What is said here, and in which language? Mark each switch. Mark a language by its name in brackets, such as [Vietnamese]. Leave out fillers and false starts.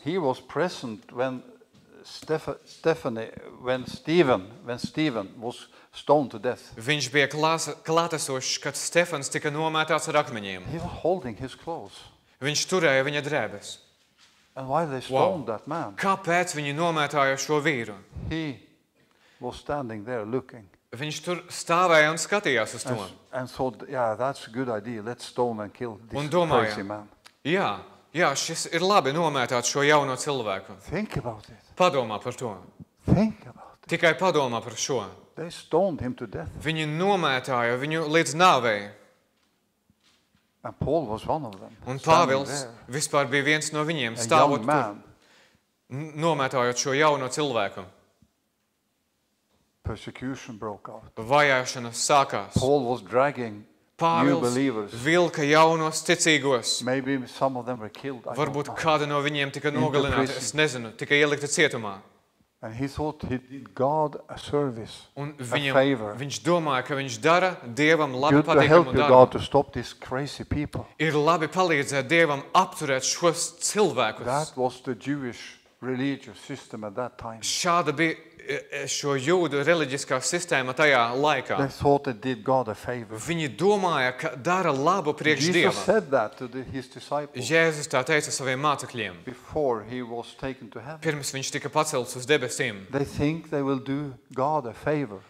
[English] He was present when Stephen was stoned to death. [Latvian] Viņš bija klātesošs, kad Stefans tika nomētāts ar akmeņiem. [English] He was holding his clothes. [Latvian] Viņš turēja viņa drēbes. [English] And why they stoned that man? [Latvian] Kāpēc viņi nomētāja šo vīru? [English] He was standing there looking. [Latvian] Viņš tur stāvēja un skatījās uz to. [English] And thought, yeah, that's a good idea. Let's stone and kill this crazy man. [Latvian] Jā, šis ir labi nomētāt šo jauno cilvēku. [English] Think about it. [Latvian] Padomā par to. [English] Think about it. [Latvian] Tikai padomā par šo. [English] They stoned him to death. [Latvian] Viņi nomētāja viņu līdz nāvei. [English] And Paul was one of them. [Latvian] Un Pāvils vispār bija viens no viņiem, stāvot tur, nomētājot šo jauno cilvēku. [English] Persecution broke out. [Latvian] Vajāšanas sākās. [English] Paul was dragging [Latvian] Pāvils vilka jaunos ticīgos. [English] Maybe some of them were killed. [Latvian] Varbūt kāda no viņiem tika nogalināta, es nezinu, tika ielikta cietumā. [English] And he thought he did God a service. [Latvian] Un viņam, viņš domāja, ka viņš dara Dievam labu patīkamu darbu. [English] God to stop these crazy people. [Latvian] Ir labi palīdzēt Dievam apturēt šos cilvēkus. [English] That was the Jewish religious system at that time. [Latvian] Šāda bija šo jūdu reliģiskā sistēma tajā laikā. [English] They thought they did God a favor. [Latvian] Viņi domāja, ka dara labu priekš [English] Jesus Said that to his disciples. [Latvian] Jēzus tā teica saviem mācekļiem. [English] Before he was taken to heaven. [Latvian] Pirms viņš tika pacelts uz debesīm. [English] They think they will do God a favor.